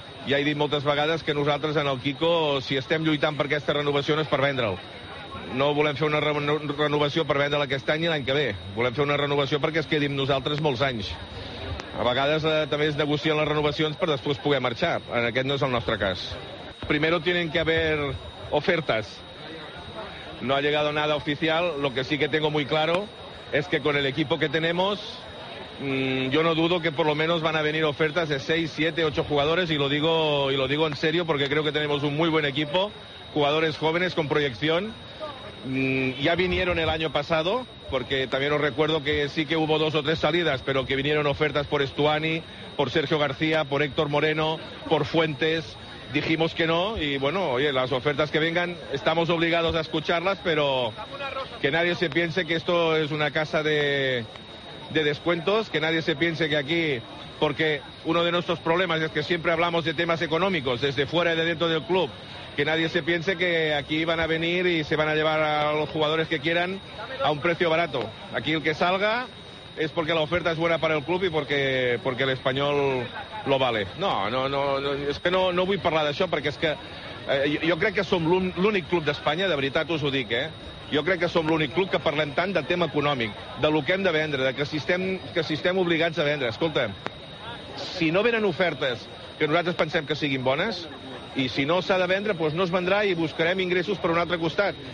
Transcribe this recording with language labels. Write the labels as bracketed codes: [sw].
[ca] Ja he dit moltes vegades que nosaltres, en el Kiko, si estem lluitant per aquesta renovació, no és per vendre'l. No volem fer una renovació per vendre'l aquest any i l'any que ve. Volem fer una renovació perquè es quedi amb nosaltres molts anys. A vegades també es negocien les renovacions per després poder marxar. En aquest no és el nostre cas. [es] Primero tienen que haber ofertas. No ha llegado nada oficial. Lo que sí que tengo muy claro es que con el equipo que tenemos, yo no dudo que por lo menos van a venir ofertas de 6, 7, 8 jugadores y lo digo en serio porque creo que tenemos un muy buen equipo, jugadores jóvenes con proyección. Ya vinieron el año pasado, porque también os recuerdo que sí que hubo dos o tres salidas, pero que vinieron ofertas por Estuani, por Sergio García, por Héctor Moreno, por Fuentes, dijimos que no, y bueno, oye, las ofertas que vengan estamos obligados a escucharlas, pero que nadie se piense que esto es una casa de descuentos, que nadie se piense que aquí, porque uno de nuestros problemas es que siempre hablamos de temas económicos desde fuera y de dentro del club, que nadie se piense que aquí van a venir y se van a llevar a los jugadores que quieran a un precio barato. Aquí el que salga es porque la oferta es buena para el club y porque el Español lo vale. [ca] No, es que no vull parlar d'això, perquè és que jo crec que som l'únic club d'Espanya, de veritat us ho dic, jo crec que som l'únic club que parlem tant de tema econòmic, de lo que hem de vendre, de que si estem obligats a vendre. Escolta, si no venen ofertes que nosaltres pensem que siguin bones, i si no s'ha de vendre, doncs no es vendrà i buscarem ingressos per un altre costat.